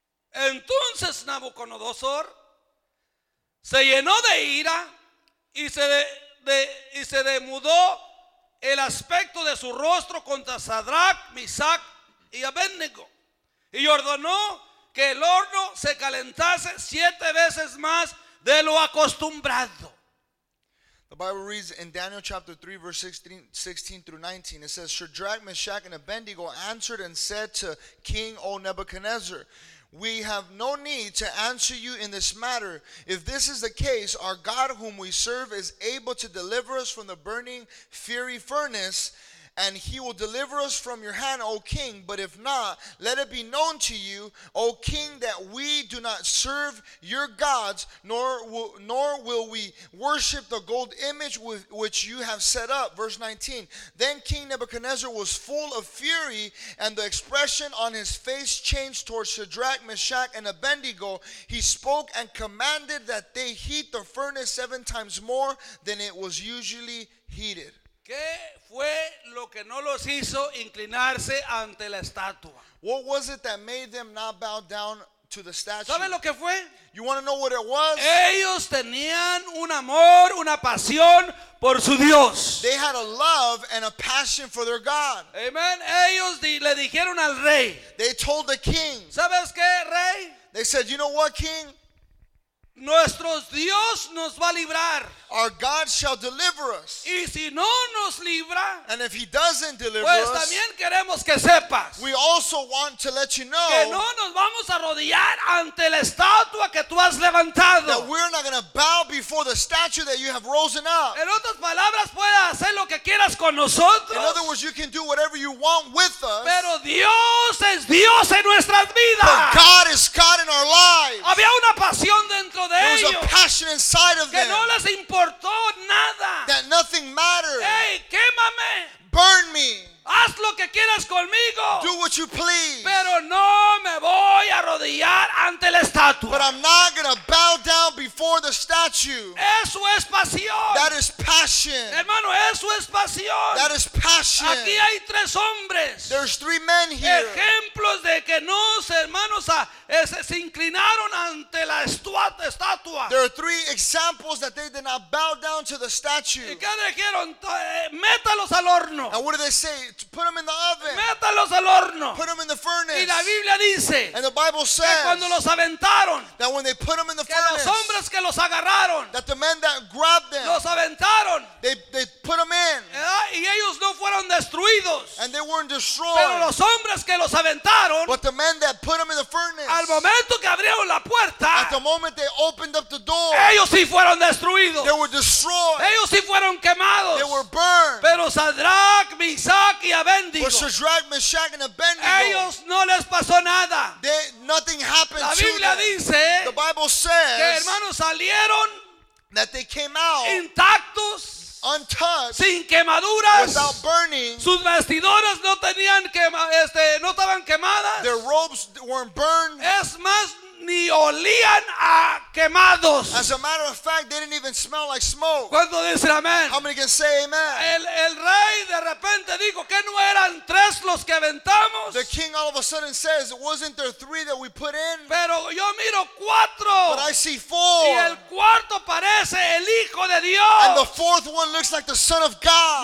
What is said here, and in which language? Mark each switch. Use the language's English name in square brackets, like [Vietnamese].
[Spanish] Entonces Nabucodonosor se llenó de ira y se demudó el aspecto de su rostro contra Sadrach, Meshach y Abednego, y ordenó que el horno se calentase siete veces más de lo acostumbrado. [English] The Bible reads in Daniel chapter 3, verse 16 through 19. It says, Shadrach, Meshach, and Abednego answered and said to King O Nebuchadnezzar, we have no need to answer you in this matter. If this is the case, our God whom we serve is able to deliver us from the burning fiery furnace. and he will deliver us from your hand, O king. But if not, let it be known to you, O king, that we do not serve your gods, nor will we worship the gold image which you have set up. Verse 19. Then King Nebuchadnezzar was full of fury, and the expression on his face changed towards Shadrach, Meshach, and Abednego. He spoke and commanded that they heat the furnace 7 times more than it was usually heated. [Spanish] ¿Qué fue lo que no los hizo inclinarse ante la estatua? [English] What was it that made them not bow down to the statue? [Spanish] ¿Sabe lo que fue? [English] You want to know what it was? [Spanish] Ellos tenían un amor, una pasión por su Dios. [English] They had a love and a passion for their God. [Spanish] Amen. Ellos le dijeron al rey. [English] They told the king. [Spanish] ¿Sabes qué, rey? [English] They said, you know what, king? [Spanish] Nuestros Dios nos va a librar. [English] Our God shall deliver us. [Spanish] Y si no nos libra, [English] and if he doesn't deliver [Spanish] pues también queremos que sepas, [English] we also want to let you know [Spanish] que no nos vamos a arrodillar ante la estatua que tú has levantado. [English] That we're not going to bow before the statue that you have risen up. [Spanish] En otras palabras, puedes hacer lo que quieras con nosotros. [English] In other words, you can do whatever you want with us. [Spanish] Pero Dios es Dios en nuestras vidas. [English] But God is God in our lives. [Spanish] Había una pasión dentro de ellos. [English] There was a passion inside of them. [Spanish] Que no les importó nada. [English] That nothing mattered. [Spanish] Hey, quémame. [English] Burn me. [Spanish] Haz lo que quieras conmigo. [English] Do what you please. [Spanish] Pero no me voy a arrodillar ante la estatua. [English] But I'm not going to bow down before the statue. [Spanish] Eso es pasión. [English] That is passion. [Spanish] Hermano, eso es pasión. [English] That is passion. [Spanish] Aquí hay tres hombres. [English] There's three men here. [Spanish] Ejemplos de que no, hermanos, se inclinaron ante la estatua. [English] There are three examples that they did not bow down to the statue. [Spanish] ¿Y qué dijeron? Métalos al horno. [English] And what did they say? To put them in the oven. [Spanish] Métalos al horno. [English] Put them in the furnace. [Spanish] Y la Biblia dice, [English] and the Bible says [Spanish] que cuando los aventaron, [English] that when they put them in the [Spanish] que [English] furnace, [Spanish] los hombres que los agarraron, [English] that the men that grabbed them, [Spanish] los aventaron, [English] they put them in. [Spanish] Y ellos no fueron destruidos, [English] and they weren't destroyed. [Spanish] Pero los hombres que los aventaron, [English] but the men that put them in the furnace, [Spanish] al momento que abrieron la puerta, [English] at the moment they opened up the door, [Spanish] ellos sí fueron destruidos. [English] They were destroyed. [Spanish] Ellos sí fueron quemados. [English] They were burned. [Spanish] Pero Shadrach, Meshach, [English] but Shadrach, Meshach, and Abednego, [Spanish] ellos no les pasó nada. [English] Nothing happened [Spanish] la Biblia [English] to them. [Spanish] Dice, [English] the Bible says [Spanish] que hermanos salieron [English] that they came out [Spanish] intactos, [English] untouched, [Spanish] sin quemaduras, [English] without burning. [Spanish] Sus vestiduras no tenían no estaban quemadas. [English] Their robes weren't burned. [Spanish] Es más, ni olían a quemados. [English] As a matter of fact, they didn't even smell like smoke. [Spanish] ¿Cuánto dice amén? [English] How many can say amen? [Spanish] El rey de repente dijo que no eran tres los que aventamos. [English] The king all of a sudden says, wasn't there three that we put in? [Spanish] Pero yo miro cuatro. [English] But I see four. [Spanish] Y el cuarto parece el hijo de Dios. [English] And the fourth one looks like the son of God.